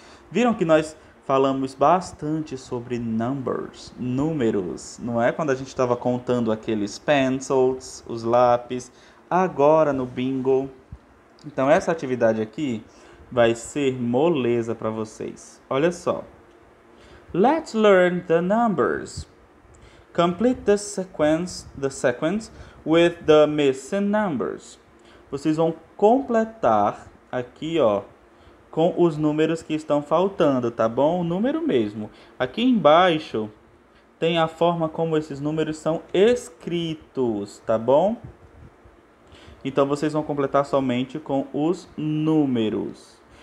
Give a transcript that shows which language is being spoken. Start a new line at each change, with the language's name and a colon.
Portuguese: Viram que nós falamos bastante sobre numbers, números, não é? Quando a gente tava contando aqueles pencils, os lápis, agora no bingo. Então essa atividade aqui vai ser moleza para vocês. Olha só.
English: Let's learn the numbers. Complete the sequence with the missing numbers.
Portuguese: Vocês vão completar aqui, ó, com os números que estão faltando, tá bom? O número mesmo. Aqui embaixo tem a forma como esses números são escritos, tá bom? Então vocês vão completar somente com os números.